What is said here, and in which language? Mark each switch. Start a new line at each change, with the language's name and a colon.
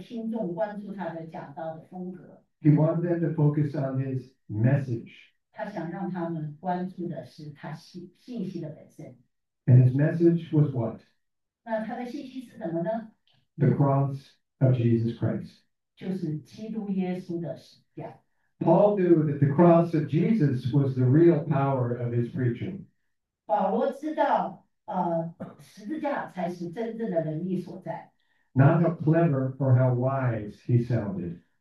Chinese: 他在这里想强调的是，他不想让他的听众关注他的讲道的风格。
English: He wanted them to focus on his message.
Chinese: 他想让他们关注的是他信息的本身。
English: And his message was what?
Chinese: 那他的信息是什么呢？
English: The cross of Jesus Christ.
Chinese: 就是基督耶稣的十字架。
English: Paul knew that the cross of Jesus was the real power of his preaching.
Chinese: 保罗知道，十字架才是真正的能力所在。
English: Not how clever or how wise he sounded.